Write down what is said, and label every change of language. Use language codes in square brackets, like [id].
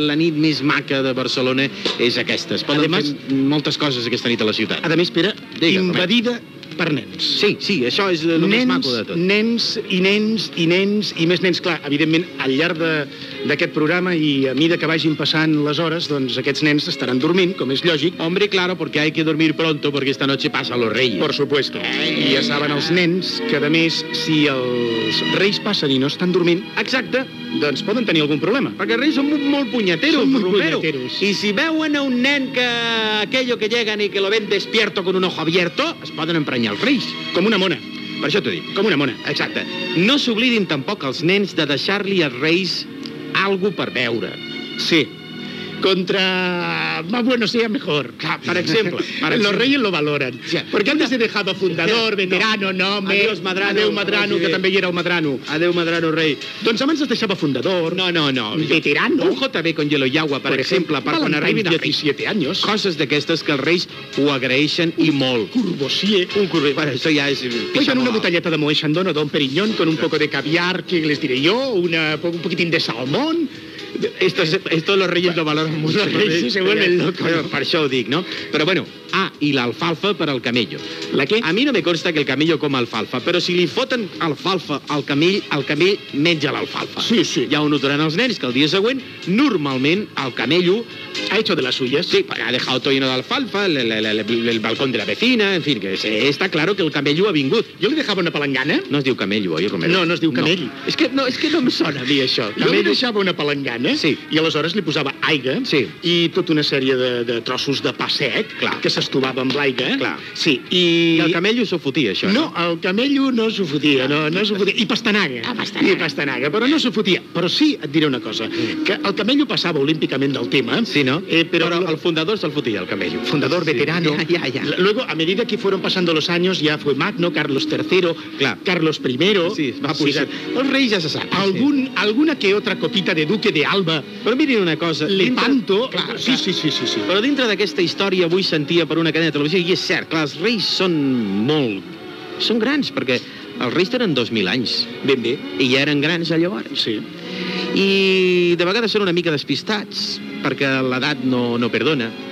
[ca] La nit més maca de Barcelona és aquesta. Es poden fer moltes coses aquesta nit a la ciutat. A més, Pere, invadida per nens. Sí, sí, això és el més maco de tot. Nens i nens i nens i més nens. Clar, evidentment, al llarg de... d'aquest programa i a mida que vagin passant les hores, doncs aquests nens estaran dormint, com és lògic. [es] Hombre, claro, porque hay que dormir pronto, porque esta noche pasa los reyes. Por supuesto. [ca] I ja saben els nens que, a més, si els reis passen i no estan dormint... Exacte. Doncs poden tenir algun problema. Perquè reis són molt punyeteros. Són molt punyeteros. I si veuen a un nen que... [es] aquello que llegan i que lo ven despierto con un ojo abierto, [ca] es poden emprenyar els reis. Com una mona. Per això t'ho dic. Com una mona. Exacte. No s'oblidin tampoc els nens de deixar-li als reis algo per veure. [es] Sí. Contra... más bueno sea mejor. [ca] Claro, per exemple. Per exemple. [es] Los reyes lo valoran. Sí. Porque antes he dejado fundador, veterano, no, me... Adiós, Madrano. [ca] Adeu, Madrano, que també hi era el Madrano. Adeu, Madrano, rei. Doncs abans es deixava fundador. No. Veterano. [es] Un JB con hielo y agua, [ca] per exemple, per quan arribin a 17 anys. Coses d'aquestes que els reis ho agraeixen i molt. Courvoisier. Un Courvoisier. Bueno, això ja és... [es] Oigan, una botelleta de Moët Chandon o Dom Perignon con un poco de caviar, que les diré jo, un poquitín de salmón. Esto los reyes lo valoran mucho. Los reyes se vuelven locos. [ca] Per això ho dic, no? Però bueno, i l'alfalfa per al camello. La què? [es] A mi no me consta que el camello coma alfalfa, [ca] però si li foten alfalfa al camell, el camell menja l'alfalfa. Sí, sí. Ja ho notaran els nens, que el dia següent, normalment, el camello... [es] Ha hecho de las suyas. Sí, ha dejado todo lleno de alfalfa, el balcón de la vecina, en fin, que se, está claro que el camello [ca] ha vingut. Jo li deixava una palangana. No es diu camello, oi, Romero? No, no es diu camell. No. És que no em sona dir això. Camello. Jo li deixava una palangana, sí. I aleshores li posava aigua, sí. I tota una sèrie de trossos de pa sec, clar. Que s'estovava amb l'aigua. Clar. Sí, i el camello s'ho fotia, això. No, el camello no s'ho fotia, no s'ho fotia. I pastanaga. Ah, pastanaga. I pastanaga, però no s'ho fotia. Però sí, et diré una cosa, que el camello passava olímpicament del tema. Sí, no? Però el fundador se'l fotia, el camello. Fundador, sí. Veterano. Ja. [es] Luego, a medida que fueron pasando los años, ya fue Magno, Carlos III, [ca] clar. Carlos I... Sí, es va posar. Sí. El rei ja se sap. [es] Alguna que otra copita de duque de Alba. [ca] Però mirin una cosa. Lepanto. Sí. Però dintre d'aquesta història avui sentia per una cadena de televisió, i és cert, clar, els reis són molt... Són grans, perquè els reis tenen 2.000 anys. Ben bé. I ja eren grans, llavors. Sí. I de vegades són una mica despistats, perquè l'edat no perdona.